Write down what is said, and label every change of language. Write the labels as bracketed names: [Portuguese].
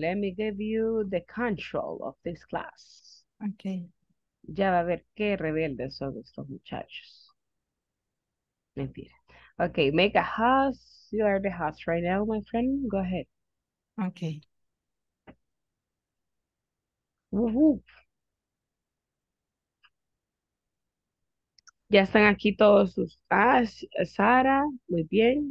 [English] Let me give you the control of this class. Okay. [Spanish] Ya va a ver qué rebeldes son estos muchachos. Mentira. [English] Okay, make a host. You are the host right now, my friend. Go ahead. Okay. Woohoo. [Spanish] Ya están aquí todos sus... Ah, Sara, muy bien.